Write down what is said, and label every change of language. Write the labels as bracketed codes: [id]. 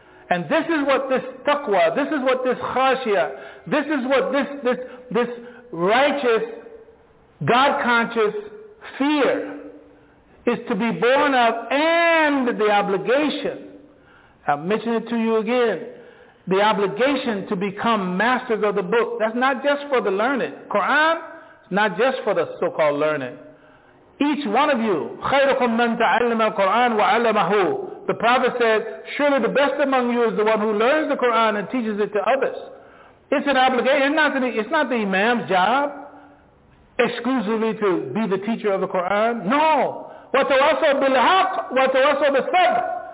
[en] And this is what this taqwa, this is what this khashiyah, this is what this righteous, God-conscious fear is to be born of, and the obligation. I'll mention it to you again. The obligation to become masters of the book. That's not just for the learned. Quran is not just for the so-called learned. Each one of you, [ar] خَيْرُكُمْ مَنْ تَعَلَّمَ الْقُرْآنَ وَعَلَّمَهُ. [en] The Prophet said, surely the best among you is the one who learns the Quran and teaches it to others. It's an obligation. It's not the imam's job exclusively to be the teacher of the Quran. No. [ar] وَتَوَصَوْا بِالْحَقِّ وَتَوَصَوْا بِالصَّبْرِ.